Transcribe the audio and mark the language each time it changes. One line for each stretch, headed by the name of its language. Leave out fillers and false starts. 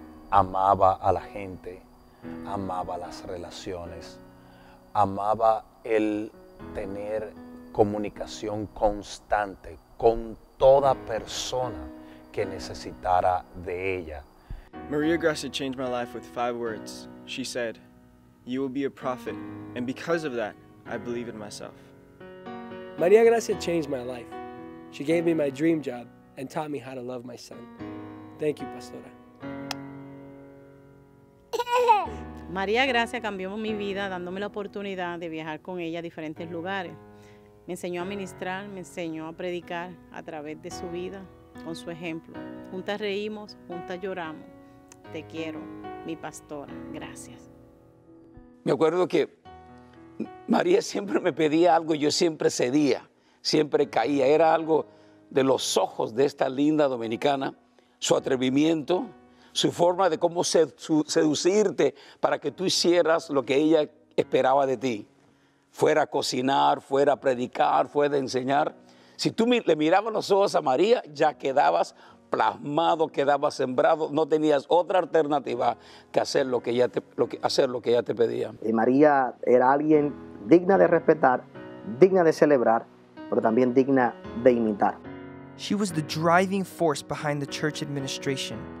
Spanish: Amaba a la gente, amaba las relaciones, amaba el tener comunicación constante con toda persona que necesitara de ella.
English: María Gracia changed my life with 5 words. She said, "You will be a prophet, and because of that, I believe in myself." María Gracia changed my life. She gave me my dream job and taught me how to love my son. Thank you, Pastora.
Spanish: María Gracia cambió mi vida dándome la oportunidad de viajar con ella a diferentes lugares. Me enseñó a ministrar, me enseñó a predicar a través de su vida, con su ejemplo. Juntas reímos, juntas lloramos. Te quiero, mi pastora. Gracias. Me acuerdo que María siempre me pedía algo y yo siempre cedía. Siempre caía, era algo de los ojos de esta linda dominicana, su atrevimiento, su forma de cómo seducirte para que tú hicieras lo que ella esperaba de ti, fuera a cocinar, fuera a predicar, fuera a enseñar. Si tú le mirabas los ojos a María, ya quedabas plasmado, quedabas sembrado, no tenías otra alternativa que hacer lo que ella te pedía. Y María era alguien digna de respetar, digna de celebrar, pero también digna de imitar.
English: She was the driving force behind the church administration.